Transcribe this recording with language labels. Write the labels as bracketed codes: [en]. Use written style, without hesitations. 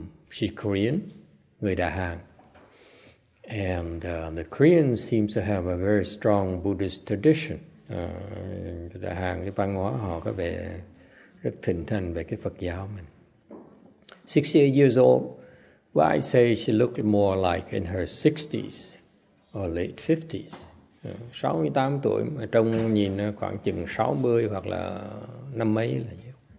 [en] She's Korean, [vi] người Đà Hàn. [en] And the Koreans seem to have a very strong Buddhist tradition. [vi] Đà Hàn, cái văn hóa họ có vẻ rất thịnh hành về cái Phật giáo mình. [en] 68 years old, well, I say she looked more like in her 60s or late 50s. [vi] 68 tuổi, mà trông nhìn khoảng chừng 60 hoặc là năm mấy là nhiều.